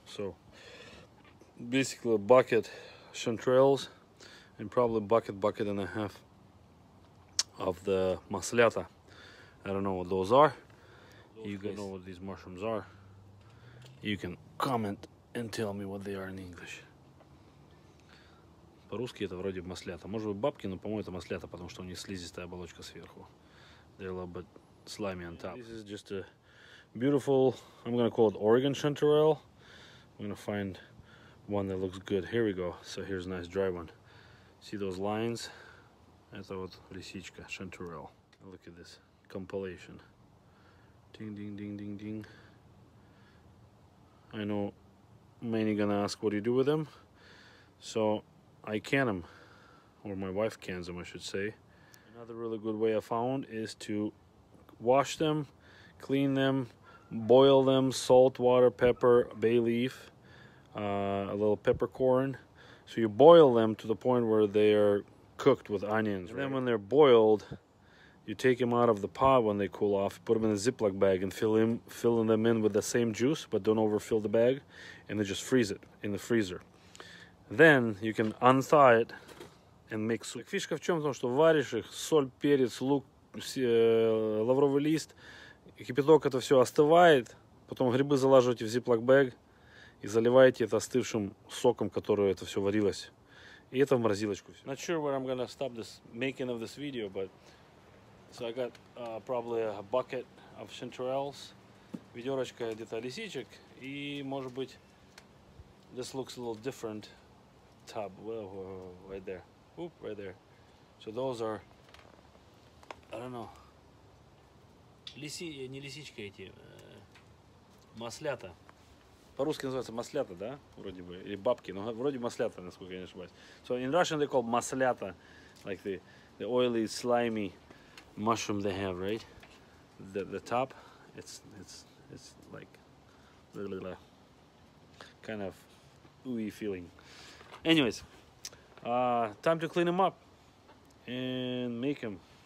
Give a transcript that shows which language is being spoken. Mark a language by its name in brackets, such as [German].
[English] So basically a bucket chanterelles and probably bucket and a half of the maslata. I don't know what those are. You guys know what these mushrooms are. You can comment and tell me what they are in English. [Russian] По-русски это вроде маслята. Может быть бабки, но по-моему это маслята, потому что у них слизистая оболочка сверху. [English] They're a little bit slimy on top. This is just a beautiful, I'm gonna call it Oregon chanterelle. I'm gonna find one that looks good. Here we go. So here's a nice dry one. See those lines? [Russian] Это вот лисичка, [English] chanterelle. Look at this compilation. Ding, ding, ding, ding, ding. I know many gonna ask what do you do with them, so I can them, or my wife cans them, I should say. Another really good way I found is to wash them, clean them, boil them, salt, water, pepper, bay leaf, a little peppercorn. So you boil them to the point where they are cooked with onions, right? Then when they're boiled, you take them out of the pot when they cool off, put them in a Ziploc bag and filling them in with the same juice, but don't overfill the bag, and then just freeze it in the freezer. Then you can unthaw it and make soup. [Russian] Фишка в чем? В том, что варишь их, соль, перец, лук, лавровый лист, кипяток, это все остывает, потом грибы залаживаете в Ziploc bag и заливаете это остывшим соком, которое это все варилось. И это в морозилочку. [English] Not sure where I'm gonna stop this making of this video, but so I got probably a bucket of chanterelles, [Russian] ведерочка где-то лисичек, и может быть, [English] this looks a little different, tub, whoa, right there, oop, right there. So those are, I don't know, [Russian] не лисичка эти, маслята. По-русски называется маслята, да, вроде бы, или бабки, но вроде маслята, насколько я не ошибаюсь. [English] So in Russian they call маслята, like the oily, slimy mushroom they have, right? The top, it's like little kind of ooey feeling. Anyways, time to clean them up and make them.